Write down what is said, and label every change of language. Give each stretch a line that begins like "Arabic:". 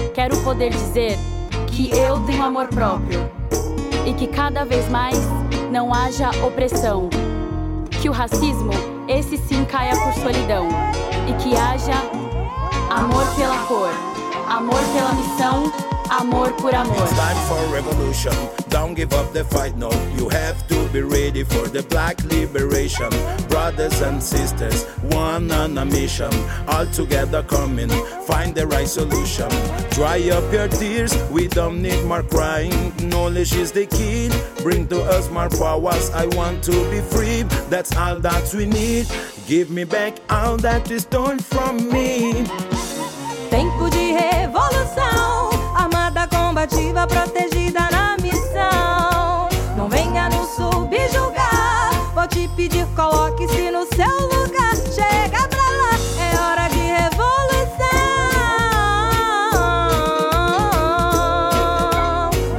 Portuguese: Quero poder dizer que eu tenho amor próprio e que cada vez mais não haja opressão. Que o racismo, esse sim, caia por solidão e que haja amor pela cor, amor pela missão, amor por amor.
English: It's time for revolution. Don't give up the fight, no. You have to be ready for the black liberation. Brothers and sisters, one on a mission. All together coming, find the right solution. Dry up your tears, we don't need more crying. Knowledge is the key, bring to us more powers. I want to be free, that's all that we need. Give me back all that is stolen from me.
Portuguese: Tempo de revolução, armada combativa, protegida na missão. Não venha nos subjugar, vou te pedir, coloque-se no seu lugar. Chega pra lá, é hora de revolução.